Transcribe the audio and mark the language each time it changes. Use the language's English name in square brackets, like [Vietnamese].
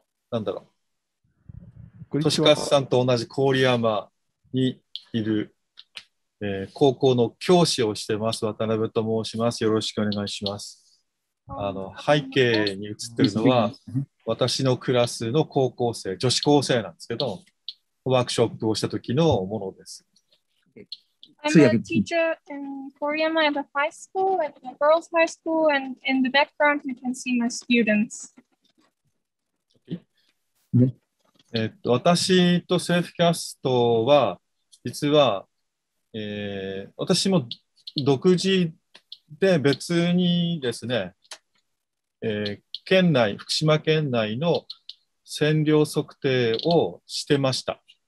[Japanese] なんだろう、としかさんと同じ郡山にいる、高校の教師をしてます渡辺と申します。よろしくお願いします。あの背景に映ってるのは私のクラスの高校生、女子高生なんですけど、ワークショップをした時のものです。 [English] I'm a teacher in Koriyama at a high school, at a girls high school, and in the background you can see my students. [Japanese] 私とセーフキャストは実は、私も独自で別にですね、県内、福島県内の線量測定をしてました。